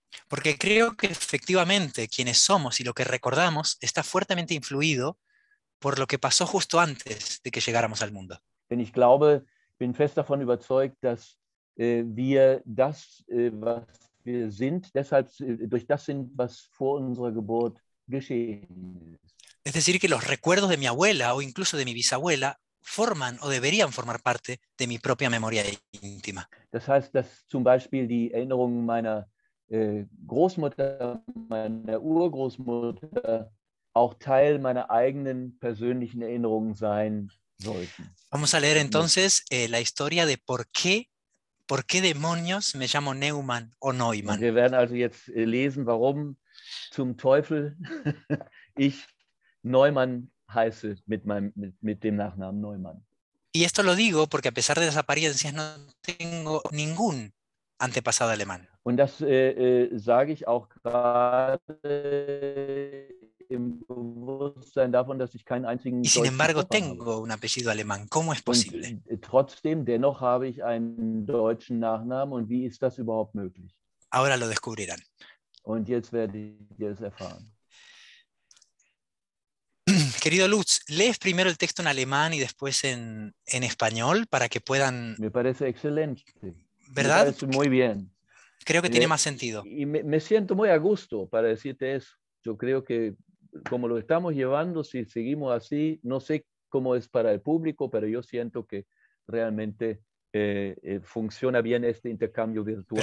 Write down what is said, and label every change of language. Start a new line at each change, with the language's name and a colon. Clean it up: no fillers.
Spanish: Porque creo que efectivamente quienes somos y lo que recordamos está fuertemente influido por lo que pasó justo antes de que llegáramos al mundo.
German: Denn ich glaube, bin fest davon überzeugt, dass wir das, was wir sind, deshalb durch das sind, was vor unserer Geburt geschehen ist.
Spanish: Es decir, que los recuerdos de mi abuela o incluso de mi bisabuela forman o deberían formar parte de mi propia memoria íntima.
German: Das heißt, dass zum Beispiel die Erinnerungen meiner Großmutter, meiner Urgroßmutter, auch Teil meiner eigenen persönlichen Erinnerungen sein sollten.
Spanish: Vamos a leer entonces la historia de por qué demonios me llamo Neumann o Neumann.
German: Wir werden also jetzt lesen, warum zum Teufel ich Neumann heiße mit dem Nachnamen Neumann.
Spanish: Y esto lo digo porque a pesar de las apariencias no tengo ningún antepasado alemán.
German: Und das sage ich auch gerade im Bewusstsein davon, dass ich keinen einzigen deutschen Vornamen habe.
Spanish: Y sin embargo tengo un apellido alemán. ¿Cómo es posible?
German: Und trotzdem, dennoch habe ich einen deutschen Nachnamen. Und wie ist das überhaupt möglich?
Spanish: Ahora lo descubrirán.
German: Und jetzt werde ich es erfahren.
Spanish: Querido Lutz, lees primero el texto en alemán y después en español para que puedan... Me parece excelente. ¿Verdad? Me parece muy bien. Creo que tiene más sentido. Y me siento muy a gusto para decirte eso. Yo creo que como lo estamos llevando, si seguimos así, no sé cómo es para el público, pero yo siento que realmente funciona bien este intercambio virtual.